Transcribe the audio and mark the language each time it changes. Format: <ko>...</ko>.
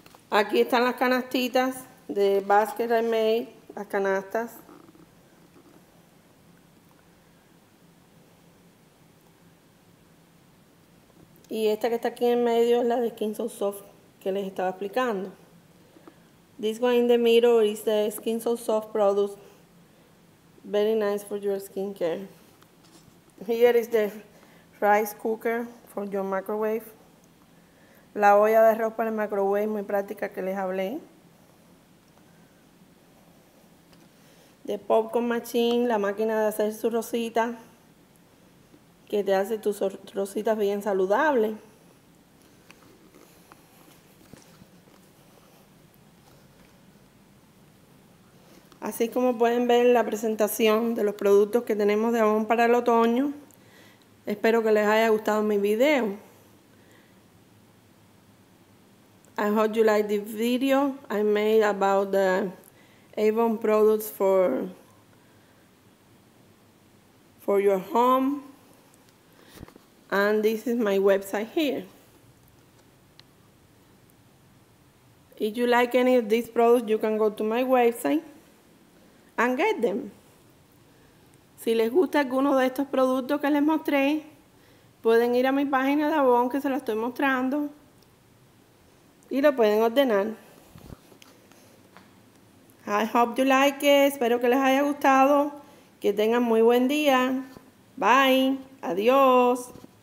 <es>Aquí están las canastitas de Basket I Made, las canastas. Y esta que está aquí en medio es la de Skin So Soft que les estaba explicando.</es> <en>This one in the middle is the Skin So Soft product. Very nice for your skincare. Here is the rice cooker for your microwave.</en> <es>La olla de arroz para el microwave, muy práctica, que les hablé.</es> <en>The popcorn machine,</en> <es>la máquina de hacer su rosita, que te hace tus rositas bien saludables. Así como pueden ver la presentación de los productos que tenemos de Avon para el otoño, espero que les haya gustado mi video.</es> <en>I hope you like the video I made about the Avon products for your home. And this is my website here. If you like any of these products, you can go to my website and get them.</en> <es>Si les gusta alguno de estos productos que les mostré, pueden ir a mi página de Avon que se la estoy mostrando y lo pueden ordenar.</es> <en>I hope you like it.</en> <es>Espero que les haya gustado. Que tengan muy buen día. Bye. Adiós.</es>